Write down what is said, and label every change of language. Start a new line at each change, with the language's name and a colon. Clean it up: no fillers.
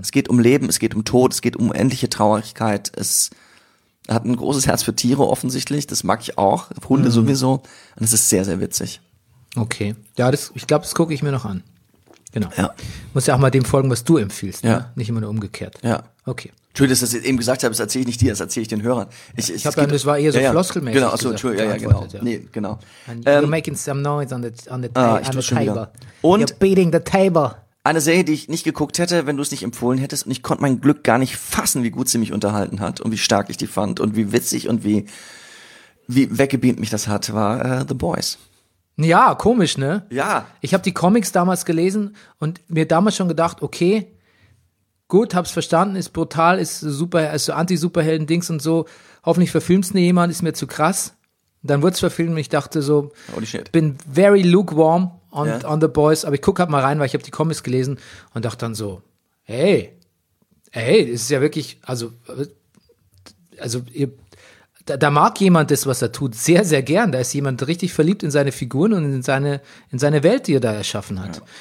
German: Es geht um Leben, es geht um Tod, es geht um unendliche Traurigkeit, es hat ein großes Herz für Tiere offensichtlich, das mag ich auch, Hunde sowieso, und es ist sehr, sehr witzig. Okay, ja, das, ich glaube, das gucke ich mir noch an. Genau. Ja. Muss ja auch mal dem folgen, was du empfiehlst, ja. Ne? Nicht immer nur umgekehrt. Ja. Okay. Entschuldigung, dass ich das eben gesagt habe, das erzähle ich nicht dir, das erzähle ich den Hörern. Ich habe dann, das war eher so floskelmäßig. Genau, also, Entschuldigung, ja, genau. Ja. Nee, genau.
English: You're making some noise on the table.
German: Und
English: you're beating the table.
German: Eine Serie, die ich nicht geguckt hätte, wenn du es nicht empfohlen hättest, und ich konnte mein Glück gar nicht fassen, wie gut sie mich unterhalten hat und wie stark ich die fand und wie witzig und wie weggebeamt mich das hat, war The Boys. Ja, komisch, ne? Ja. Ich habe die Comics damals gelesen und mir damals schon gedacht, okay, gut, hab's verstanden, ist brutal, ist super, also Anti-Superhelden-Dings und so. Hoffentlich verfilmt's nie jemand, ist mir zu krass. Dann wird's verfilmt und ich dachte so,
English: holy shit,
German: bin
English: very lukewarm on, ja, on The Boys.
German: Aber ich guck halt mal rein, weil ich habe die Comics gelesen und dachte dann so, hey, das ist ja wirklich, also ihr, da mag jemand das, was er tut, sehr, sehr gern. Da ist jemand richtig verliebt in seine Figuren und in seine Welt, die er da erschaffen hat. Ja.